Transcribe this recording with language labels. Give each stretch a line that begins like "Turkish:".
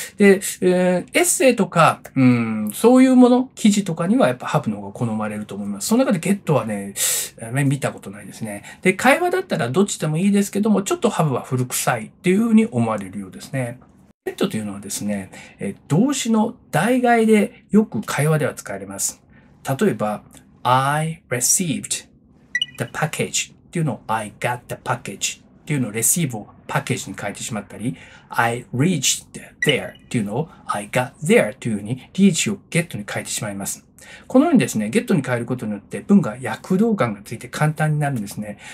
Japanese: で、エッセイとか、そういうもの、記事とかにはやっぱハブの方が好まれると思います。その中でゲットはね、見たことないですね。で、会話だったらどっちでもいいですけども、ちょっとハブは古臭いっていうふうに思われるようですね。ゲットというのはですね、動詞の代替でよく会話では使われます。
English: 例えば、I received the package.
Japanese: っていうのを
English: I got the package
Japanese: っていうのをレシーブをパッケージに変えてしまったり、
English: I reached there
Japanese: っていうのを
English: I got there
Japanese: っていうふうにリーチをゲットに変えてしまいます。このようにですね、ゲットに変えることによって文が躍動感がついて簡単になるんですね。